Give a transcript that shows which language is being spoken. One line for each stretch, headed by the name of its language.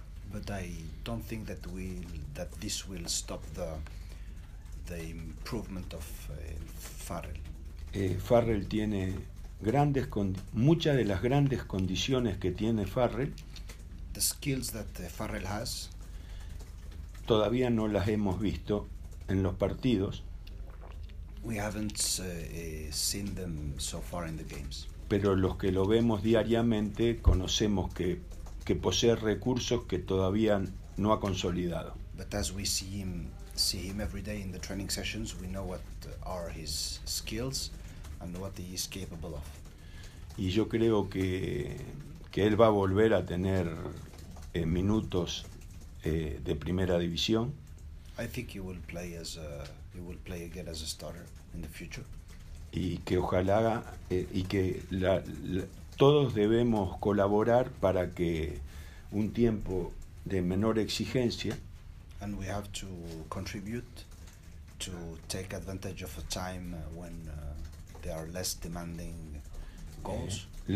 English: But I don't think that this will stop the improvement of Farrell.
Spanish: Farrell tiene muchas de las grandes condiciones que tiene Farrell.
English: The skills that Farrell has.
Spanish: Todavía no las hemos visto en los partidos.
English: We haven't seen them so far in the games.
Spanish: Pero los que lo vemos diariamente conocemos que posee recursos que todavía no ha consolidado.
English: But as we see him every day in the training sessions, we know what are his skills and what he is capable of.
Spanish: Y yo creo que él va a volver a tener minutos de primera división.
English: I think he will play again as a starter in the future.
Spanish: Y que ojalá y que todos debemos colaborar para que un tiempo de menor exigencia.
English: And we have to contribute to take advantage of a time when there are less demanding goals.